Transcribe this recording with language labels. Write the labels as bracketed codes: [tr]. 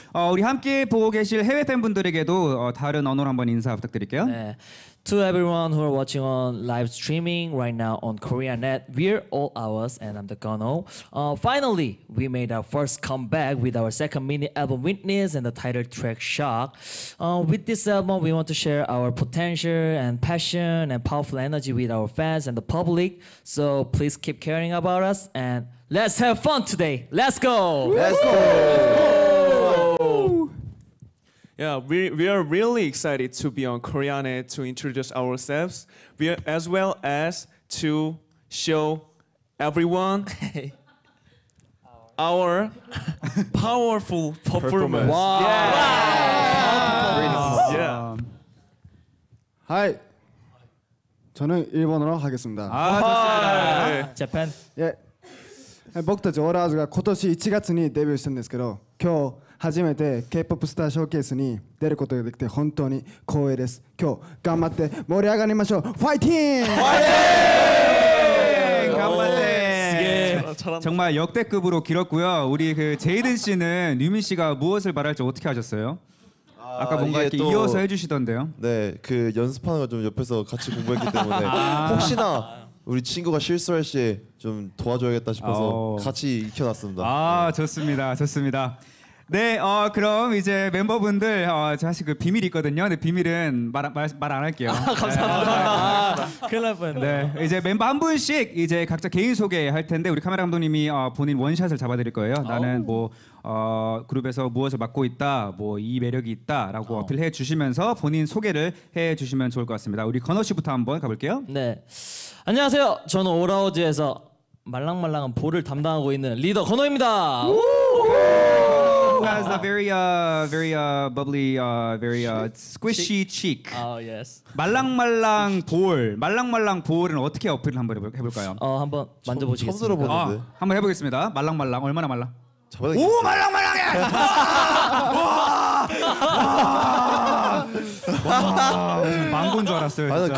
[ko] 우리 함께 보고 계실 해외 팬분들에게도 다른 언어로 한번 인사 부탁드릴게요. 네. [en] To everyone who are watching on live streaming right now on KoreaNet, we're All Hours and I'm the Gunno. Finally, we made our first comeback with our second mini album Witness and the title track Shock. With this album, we want to share our potential and passion and powerful energy with our fans and the public. So please keep caring about us and let's have fun today. Let's go. Let's go. Yeah, we are really excited to be on KoreaNet to introduce ourselves, we are, as well as to show everyone our powerful performance. Wow! Wow. Yeah. [ko] Hi, 저는 일본어로 하겠습니다. 아, 좋습니다. 재팬. 예. [ja] 僕たち オールアワーズが 今年 1月に デビューしたんですけど 今日初めて K-POP スターショーケースに 出ることができて本当に光栄です 今日頑張って盛り上がりましょう ファイティング! 頑張って! [ko] 정말 역대급으로 길었고요 우리 그 제이든 씨는 류민 씨가 무엇을 말할지 어떻게 하셨어요? 아까 뭔가 이렇게 또, 이어서 해주시던데요 네 그 연습하는 걸 좀 옆에서 같이 공부했기 때문에 혹시나 우리 친구가 실수할 시에 좀 도와줘야겠다 싶어서 같이 익혀놨습니다. 아, 네. 좋습니다. 좋습니다. 네, 그럼 이제 멤버분들 사실 그 비밀이 있거든요. 근데 비밀은 말 안 할게요. 아, 감사합니다. 큰일 날 뻔했네. 이제 멤버 한 분씩 이제 각자 개인 소개 할 텐데 우리 카메라 감독님이 본인 원샷을 잡아드릴 거예요. 나는 뭐 그룹에서 무엇을 맡고 있다, 뭐 이 매력이 있다라고 어필해 주시면서 본인 소개를 해 주시면 좋을 것 같습니다. 우리 건호 씨부터 한번 가볼게요. 네, 안녕하세요. 저는 오라오즈에서 말랑말랑한 볼을 담당하고 있는 리더 건호입니다. [en] Who has a very bubbly, very squishy cheek. Oh, yes. [ko] 말랑말랑 볼. 말랑말랑 볼은 어떻게 어필을 한번 해볼까요? 한번 만져보시겠습니다. 처음 들어보는데. 한번 해보겠습니다. 말랑말랑. 얼마나 말랑? 잡아야겠어요. 오, 말랑말랑해! 망고인 줄 알았어요, 진짜.